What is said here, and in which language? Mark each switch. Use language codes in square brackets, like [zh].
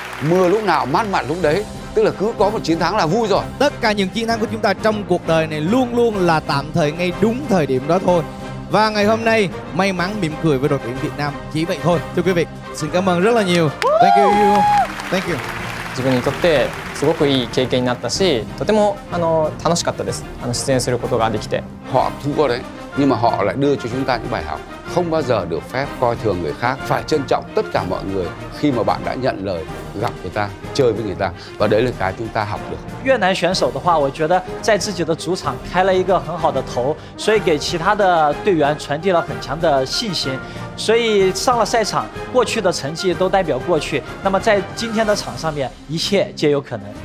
[vi] Mưa lúc nào mát mặn lúc đấy, tức là cứ có một chiến thắng là vui rồi. Tất cả những chiến thắng của chúng ta trong cuộc đời này luôn luôn là tạm thời ngay đúng thời điểm đó thôi. Và ngày hôm nay may mắn mỉm cười với đội tuyển Việt Nam chỉ vậy thôi. Thưa quý vị, xin cảm ơn rất là nhiều. [en] Thank you. Thank you. [ja] 自分にとってすごくいい経験になったし、とても楽しかったです。出演することができて。 [vi] Họ thua đấy, nhưng mà họ lại đưa cho chúng ta những bài học. Không bao giờ được phép coi thường người khác, phải trân trọng tất cả mọi người khi mà bạn đã nhận lời gặp người ta, chơi với người ta, và đấy là cái chúng ta học được. [zh] Việt Nam 选手的话，我觉得在自己的主场开了一个很好的头，所以给其他的队员传递了很强的信心。所以上了赛场，过去的成绩都代表过去，那么在今天的场上面，一切皆有可能。